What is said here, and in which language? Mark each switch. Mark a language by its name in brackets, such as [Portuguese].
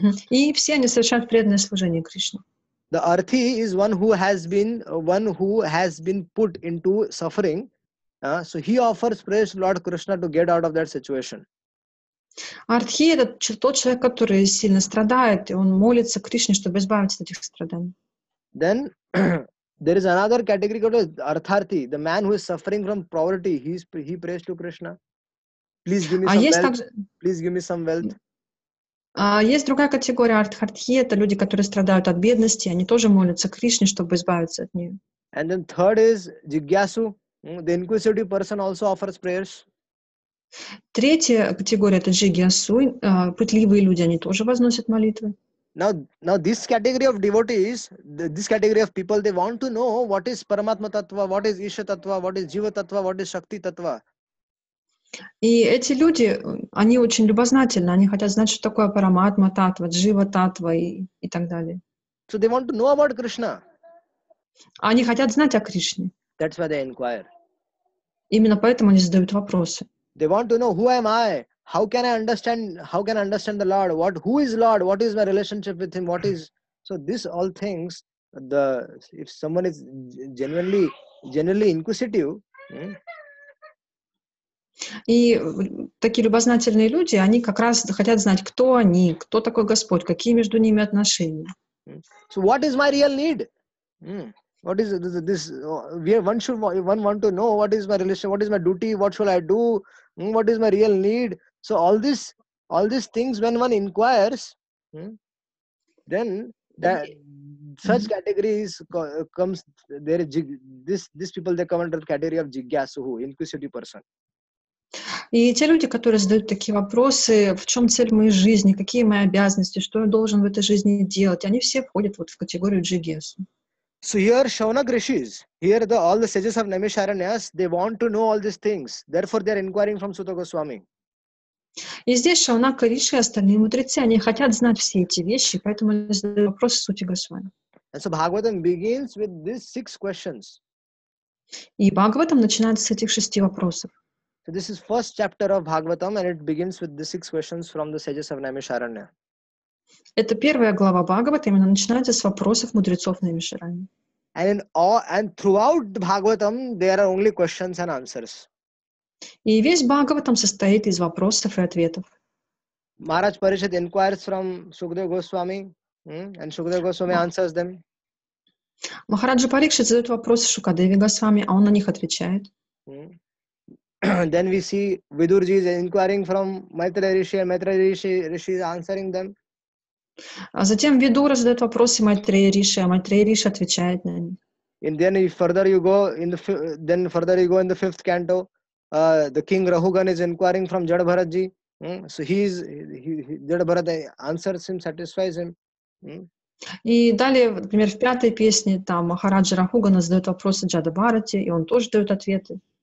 [Russian] И все они совершают преданное служение Кришне. [English] The arthi is one who has been put into suffering. So he offers prayers to Lord Krishna to get out of that situation. [Russian] Arthi — это тот человек, который сильно страдает, и он молится Кришне, чтобы избавиться от этих страданий. [English] Then there is another category called artharthi, the man who is suffering from poverty. He prays to Krishna, please give me some wealth. [Russian] Есть другая категория артхартхи, это люди, которые страдают от бедности, они тоже молятся Кришне, чтобы избавиться от нее. [English] And then third is jigyasu, the inquisitive person also offers prayers. [Russian] Третья категория — это jigyasu, пытливые люди, они тоже возносят молитвы. [English] Now this category of devotees, this category of people, they want to know what is Paramatma Tattva, what is Isha Tattva, what is Jiva Tattva, what is Shakti Tattva. [Russian] И эти люди, они очень любознательны, они хотят знать, что такое Параматма Таттва, Джива Таттва и так далее. [English] So they want to know about Krishna. [Russian] Они хотят знать о Кришне. [English] That's why they inquire. [Russian] Именно поэтому они задают вопросы. [English] They want to know who am I? How can I understand the Lord? Who is Lord? What is my relationship with Him? If someone is genuinely inquisitive. [Russian] И такие любознательные люди, они как раз хотят знать, кто они, кто такой Господь, какие между ними отношения. [English] So what is my real need? What is this? One want to know what is my relation, what is my duty, what should I do? What is my real need? So all these things, when one inquires, then that such categories comes there. These people they come under the category of jigyasuhu, inquisitive person. [Russian] И те люди, которые задают такие вопросы, в чем цель моей жизни, какие мои обязанности, что я должен в этой жизни делать, они все входят вот в категорию джигьясу. [English] So here Shaunak Rishis, here all the sages of Naimisharanyas, they want to know all these things. Therefore, they are inquiring from Sutta Goswami. [Russian] И здесь Шаунак Риши и остальные мудрецы, они хотят знать все эти вещи, поэтому они задают вопросы Сути Госвами. [English] And so Bhagavatam begins with these six questions. [Russian] И Бхагаватам начинается с этих шести вопросов. [English] So this is first chapter of Bhagavatam and it begins with the six questions from the sages of Naimisharanya. [Russian] Это первая глава Бхагавата, именно начинается с вопросов мудрецов Наимишарани. [English] And throughout Bhagavatam there are only questions and answers. [Russian] И весь Бхагаватам состоит из вопросов и ответов. [English] Maharaj Parishad inquires from Sukadeva Goswami and Sukadeva Goswami answers them. [Russian] Махараджа Парикшит задает вопросы Шукадеве Госвами, а он на них отвечает. [English] Then we see Vidurji is inquiring from Maitreya Rishi and Maitreya Rishi is answering them. [Russian] А затем Видура задает вопросы Майтрея Риши, а Майтрея Риши отвечает на них. [English] And then further you go in the fifth canto, the king Rahugan is inquiring from Jadabharatji. So Jadabharat answers him, satisfies him. [Russian] И далее, например, в пятой песне там Махараджа Рахугана задает вопросы Джадабарати, и он тоже дает ответы.